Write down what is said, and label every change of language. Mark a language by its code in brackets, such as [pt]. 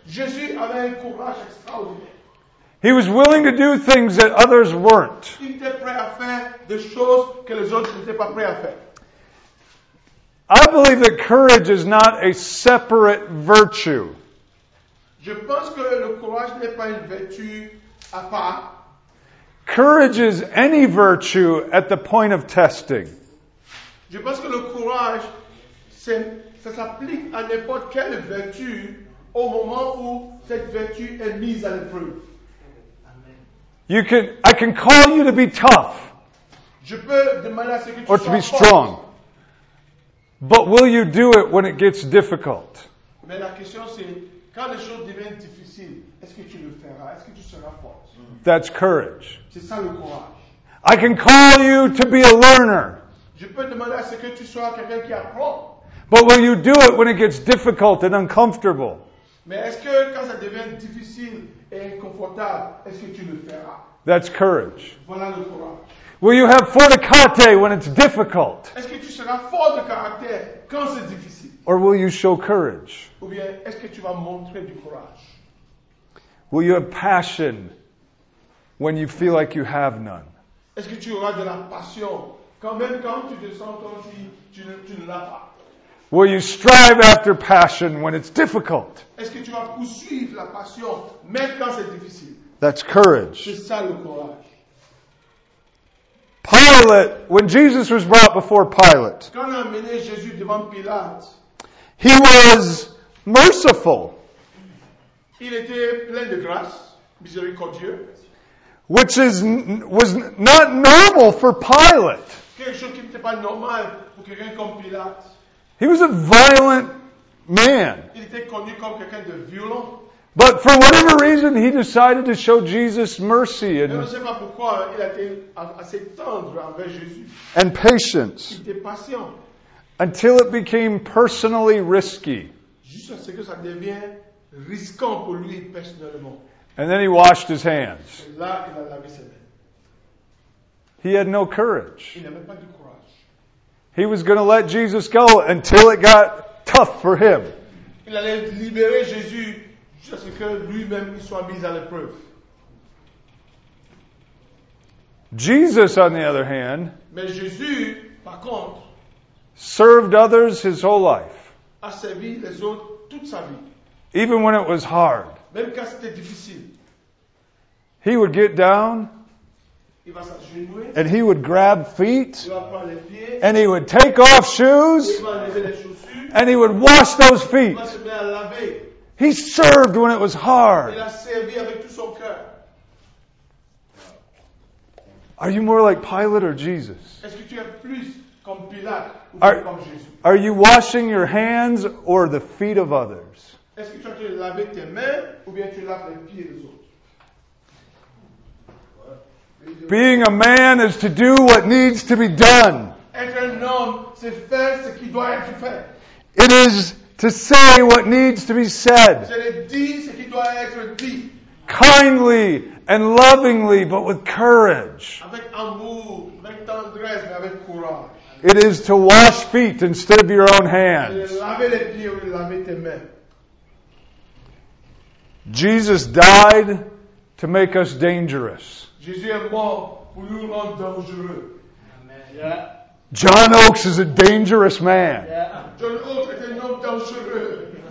[fr] Jésus avait un courage extraordinaire. [en] He was willing to do things that others weren't. [fr] Il était prêt à faire des choses que les autres n'étaient pas prêts à faire. [en] I believe that courage is not a separate virtue. [fr] Je pense que le courage n'est pas une vertu à part. [en] Courage is any virtue at the point of testing. [fr] Je pense que le courage, ça s'applique à n'importe quelle vertu au moment où cette vertu est mise à l'épreuve. [en] I can call you to be tough. [fr] Je peux demander à ce que tu [en] or to be strong. But will you do it when it gets difficult? [fr] Mais la question c'est, quand les choses deviennent difficiles, est-ce que tu le feras? Est-ce que tu seras fort? [en] That's courage. [fr] C'est ça le courage. [en] I can call you to be a learner. [fr] Je peux demander à ce que tu sois quelqu'un qui apprend. [en] But will you do it when it gets difficult and uncomfortable? [fr] Mais est-ce que quand ça devient difficile et inconfortable, est-ce que tu le feras? [en] That's courage. [fr] Voilà le courage. [en] Will you have fortitude when it's difficult? [fr] Est-ce que tu seras fort de caractère quand c'est difficile? [en] Or will you show courage? [fr] Ou bien est-ce que tu vas montrer du courage? [en] Will you have passion when you feel like you have none? [fr] Est-ce que tu auras de la passion quand même quand tu te sens comme si tu ne l'as pas? [en] Will you strive after passion when it's difficult? [fr] Est-ce que tu vas poursuivre la passion même quand c'est difficile? [en] That's courage. [fr] C'est ça le courage. [en] Pilate, when Jesus was brought before Pilate, [fr] quand on a amené Jésus devant Pilate, [en] he was merciful. [fr] Il était plein de grâce, miséricordieux. [en] Which is was not normal for Pilate. [fr] Quelque chose qui n'était pas normal pour quelqu'un comme Pilate. [en] He was a violent man. [fr] Il était connu comme quelqu'un de violent. [en] But for whatever reason, he decided to show Jesus mercy and, [fr] je ne sais pas pourquoi, il a été assez tendre envers Jésus. [en] And patience. [fr] Il était patient. [en] Until it became personally risky. [fr] Jusqu'à ce que ça devienne risquant pour lui personnellement. [en] And then he washed his hands. [fr] Là, il a lavé ses mains. [en] He had no courage. [fr] Il n'avait pas de courage. [en] He was going to let Jesus go until it got tough for him. [fr] Il allait libérer Jésus jusqu'à ce que lui-même soit mis à l'épreuve. [en] Jesus, on the other hand, [fr] mais Jésus, par contre, [en] served others his whole life. [fr] A servi les autres toute sa vie. [en] Even when it was hard. [fr] Même quand c'était difficile. [en] He would get down. [fr] Il va s'agenouiller, [en] and he would grab feet, [fr] il va prendre les pieds, [en] and he would take off shoes, [fr] il va enlever les chaussures, [en] and he would wash those feet. [fr] Il va se mettre à laver. [en] He served when it was hard. [fr] Il a servi avec tout son cœur. [en] Are you more like Pilate or Jesus? [fr] Est-ce que tu es plus comme Pilate ou comme Jésus? [en] Are you washing your hands or the feet of others? [fr] Est-ce que tu as lavé tes mains ou bien tu laves les pieds des autres? [en] Being a man is to do what needs to be done. [fr] Être un homme, c'est faire ce qui doit être fait. [en] It is to say what needs to be said. [fr] C'est de dire ce qui doit être dit. [en] Kindly and lovingly, but with courage. [fr] Avec amour, avec tendresse, mais avec courage. [en] It is to wash feet instead of your own hands. [fr] C'est de laver les pieds ou de laver tes mains. [en] Jesus died to make us dangerous. [fr] Jésus est mort pour nous rendre dangereux. [en] Amen. John Oakes is a dangerous man. Yeah. [fr] John Oakes est un homme dangereux.